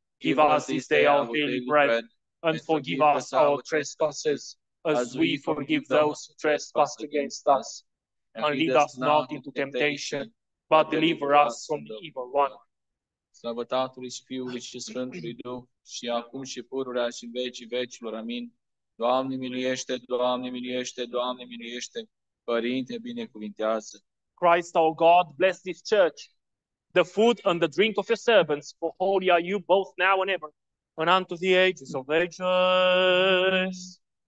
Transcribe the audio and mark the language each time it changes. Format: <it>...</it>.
<en>Give us this day our daily bread, and forgive us our trespasses, as we forgive those who trespass against us. And lead us not into temptation, but deliver us from the evil one.</en> <ro>Slavă Tatălui și Fiului și Sfântului Duh, și acum și pururea și în vecii vecilor. Amin. Doamne miluiește, Doamne miluiește, Doamne miluiește. Părinte, binecuvintează.</ro> <en>Christ our God, bless this church, the food and the drink of your servants, for holy are you both now and ever, and unto the ages of ages.</en>